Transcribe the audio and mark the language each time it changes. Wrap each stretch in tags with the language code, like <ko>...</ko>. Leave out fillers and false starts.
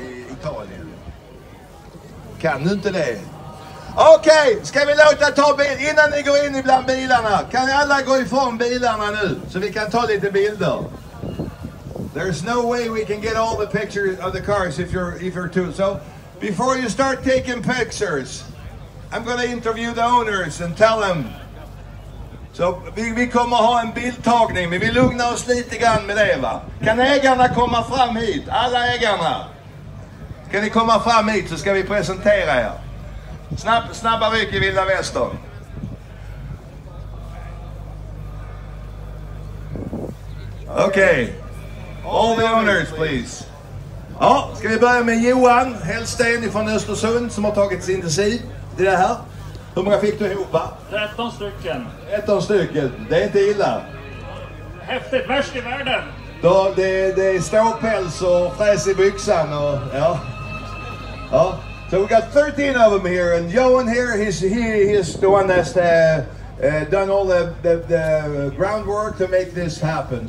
<sv>Vad heter den som jag gjorde i Italien? Kan du inte det? Okej, ska vi låta ta bil innan ni går in ibland bilarna? Kan ni alla gå ifrån bilarna nu så vi kan ta lite bilder?</sv> <en>There's no way we can get all the pictures of the cars if you're too. So, before you start taking pictures, I'm gonna interview the owners and tell them.</en> <sv>So, vi kommer ha en bildtagning, men vi lugnar oss lite grann med det, va? Kan ägarna komma fram hit? Alla ägarna? Kan ni komma fram hit så ska vi presentera er. Snabba ryck i Vilda Västern.</sv> <en>Okej. All the owners, please.</en> <sv>Ja, ska vi börja med Johan Hellsten från Östersund som har tagit sin intensiv till det här. Hur många fick du ihop? 13 stycken. 13 stycken. Det är inte illa. Häftigt. Värst i världen. Då, det är ståpäls och fräs i byxan. Och, ja. Ja.</sv> <en>So we got 13 of them here, and Johan here, he's the one that's done all the groundwork to make this happen.</en>